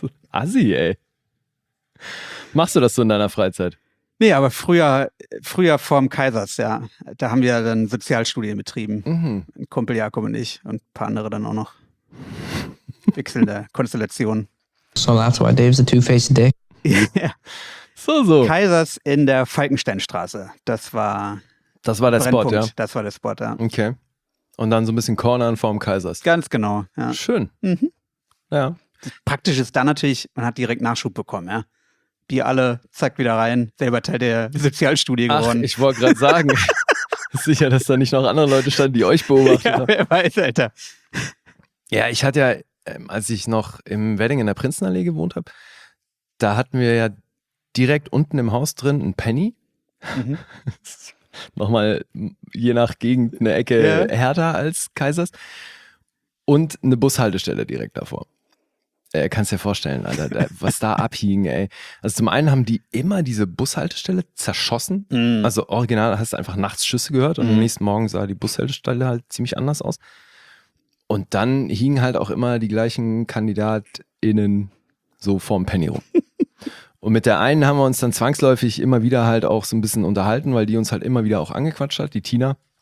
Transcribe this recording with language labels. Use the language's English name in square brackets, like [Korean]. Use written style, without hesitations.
[German] Assi, ey. Machst du das so in deiner Freizeit? Nee, aber früher vorm Kaisers, ja. Da haben wir dann Sozialstudien betrieben. Mhm. Ein Kumpel Jakob und ich und ein paar andere dann auch noch. Wechselnde Konstellation. [English] So, that's why Dave's a two-faced dick. [German] So. Kaisers in der Falkensteinstraße. Das war der Brennpunkt. Spot, ja. Das war der Spot, ja. Okay. Und dann so ein bisschen cornern vorm Kaisers. Ganz genau, ja. Schön. Mhm. Ja. Praktisch ist dann natürlich, man hat direkt Nachschub bekommen, ja. Bier alle, zack, wieder rein, selber Teil der Sozialstudie geworden. Ach, ich wollte gerade sagen, sicher, dass da nicht noch andere Leute standen, die euch beobachtet haben. Ja, wer weiß, Alter. Ja, ich hatte ja, als ich noch im Wedding in der Prinzenallee gewohnt habe, da hatten wir ja direkt unten im Haus drin ein Penny. Mhm. Nochmal je nach Gegend eine Ecke härter als Kaisers. Und eine Bushaltestelle direkt davor. Kannst dir vorstellen, Alter, was da abhing, ey. Also zum einen haben die immer diese Bushaltestelle zerschossen. Mm. Also original hast du einfach nachts Schüsse gehört und am nächsten Morgen sah die Bushaltestelle halt ziemlich anders aus. Und dann hingen halt auch immer die gleichen KandidatInnen so vorm Penny rum. Und mit der einen haben wir uns dann zwangsläufig immer wieder halt auch so ein bisschen unterhalten, weil die uns halt immer wieder auch angequatscht hat, die Tina.